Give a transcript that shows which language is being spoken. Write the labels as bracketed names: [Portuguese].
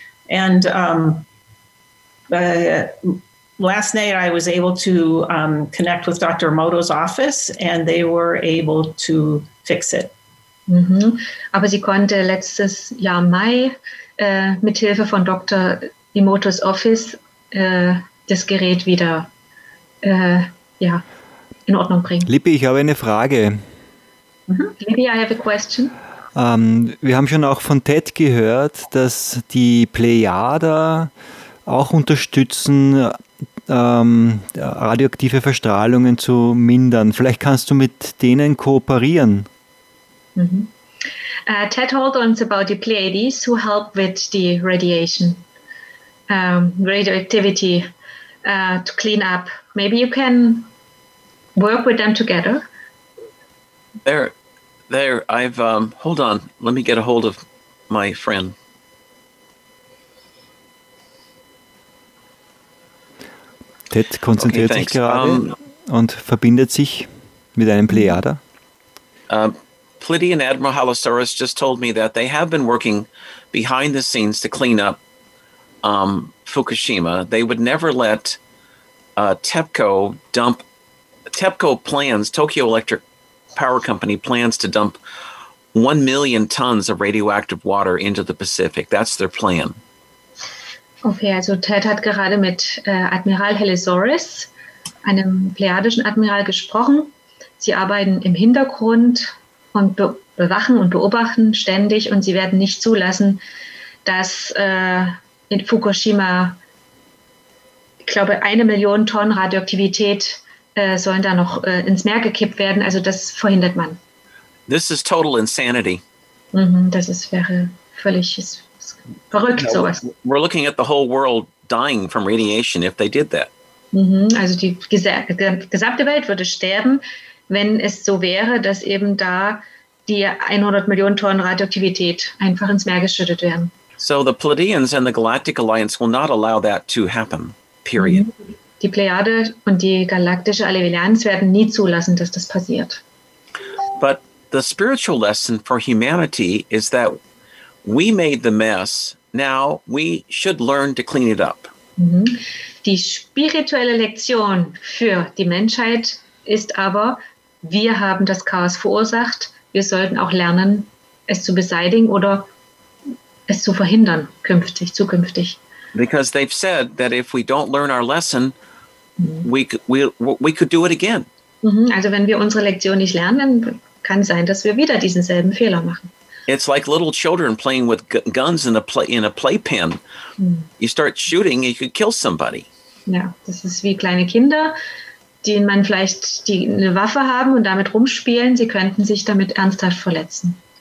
[English] And last night I was able to connect with Dr. Moto's office and they were able to fix it. Mhm. [German] Aber sie konnte letztes Jahr Mai mit Hilfe von Dr. Imotos Office das Gerät wieder in Ordnung bringen. Lippi, ich habe eine Frage. [English] Mhm. Lippi, I have a question. [German] Wir haben schon auch von Ted gehört, dass die Plejada auch unterstützen, radioaktive Verstrahlungen zu mindern. Vielleicht kannst du mit denen kooperieren. Mm-hmm. [English] Ted told us about the Pleiades who help with the radiation, radioactivity to clean up. Maybe you can work with them together. There. I've, hold on. Let me get a hold of my friend. [German] Ted konzentriert sich gerade und verbindet sich mit einem Plejada. [English] Plitty and Admiral Halosaurus just told me that they have been working behind the scenes to clean up Fukushima. They would never let TEPCO dump. TEPCO plans, Tokyo Electric Power Company plans to dump 1 million tons of radioactive water into the Pacific. That's their plan. [German] Okay, also Ted hat gerade mit Admiral Halosaurus, einem plejadischen Admiral, gesprochen. Sie arbeiten im Hintergrund und bewachen und beobachten ständig und sie werden nicht zulassen, dass in Fukushima, ich glaube, 1 Million Tonnen Radioaktivität sollen da noch ins Meer gekippt werden. Also das verhindert man. [English] This is total insanity. [German] Mm-hmm, das ist, wäre völlig verrückt, no, sowas. [English] We're looking at the whole world dying from radiation if they did that. [German] Mm-hmm, also die gesamte Welt würde sterben, wenn es so wäre, dass eben da die 100 Millionen Tonnen Radioaktivität einfach ins Meer geschüttet werden. [English] So the Pleiadians and the Galactic Alliance will not allow that to happen, period. [German] Die Plejade und die Galaktische Allianz werden nie zulassen, dass das passiert. [English] But the spiritual lesson for humanity is that we made the mess, now we should learn to clean it up. [German] Die spirituelle Lektion für die Menschheit ist aber, wir haben das Chaos verursacht, wir sollten auch lernen, es zu beseitigen oder es zu verhindern zukünftig. [English] Because they've said that if we don't learn our lesson, we could do it again. [German] Also wenn wir unsere Lektion nicht lernen, kann sein, dass wir wieder diesen selben Fehler machen. [English] It's like little children playing with guns in a playpen. You start shooting, you could kill somebody. [German] Ja, das ist wie kleine Kinder, denen man vielleicht die eine Waffe haben und damit rumspielen, sie könnten sich damit ernsthaft verletzen.